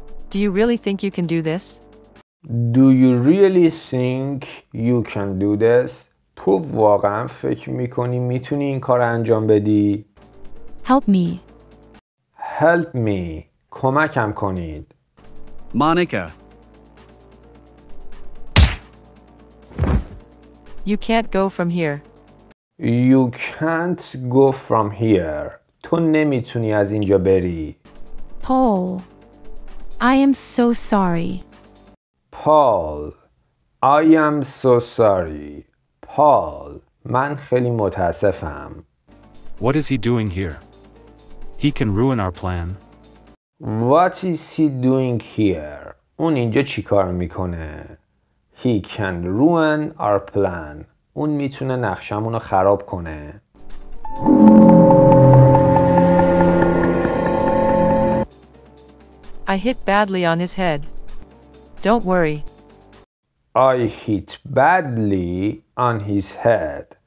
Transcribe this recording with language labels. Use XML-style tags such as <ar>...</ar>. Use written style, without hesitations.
<en>Do you really think you can do this? Do you really think you can do this?</en> <fa>تو واقعا فکر میکنی میتونی این کار انجام بدی؟</fa> <en>Help me. Help me.</en> <fa>کمکم کنید.</fa> <en>Monica. You can't go from here. You can't go from here.</en> <fa>تو نمیتونی از اینجا بری.</fa> <en>Paul. I am so sorry. Paul. I am so sorry. Paul.</en> <fa>من خیلی متاسفم.</fa> <en>What is he doing here? He can ruin our plan. What is he doing here?</en> <fa>اون اینجا چی کار میکنه؟</fa> <en>He can ruin our plan.</en> <fa>اون میتونه نقشمون رو خراب کنه.</fa> <en>I hit badly on his head. Don't worry. I hit badly on his head.</en>